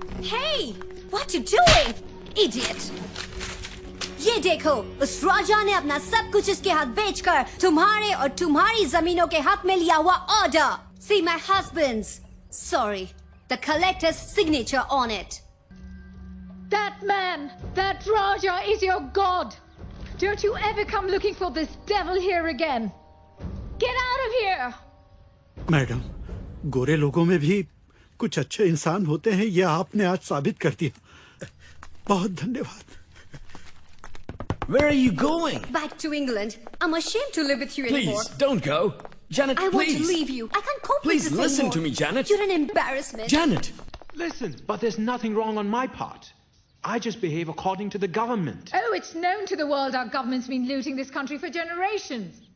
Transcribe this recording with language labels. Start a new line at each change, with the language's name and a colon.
English: Hey, what you doing, idiot?
Hindi: ये देखो, उस राजा ने अपना सब कुछ इसके हाथ बेचकर तुम्हारे और तुम्हारी जमीनों के हाथ में लिया हुआ order.
English: See my husband's, sorry, the collector's signature on it. That man, that Raja is your god. Don't you ever come looking for this devil here again. Get out of here.
Hindi: Madam, गोरे लोगों में भी कुछ अच्छे इंसान होते हैं, यह आपने आज साबित कर दिया। बहुत धन्यवाद।
English: Where are you going? Back to England. I'm ashamed to live with you anymore. Please, don't go. Janet, I please. I want to leave you. I can't cope with this anymore. Please, listen to me, Janet. You're an embarrassment. Janet! Listen, but there's nothing wrong on my part. I just behave according to the government. Oh, it's known to the world our government's been looting this country for generations.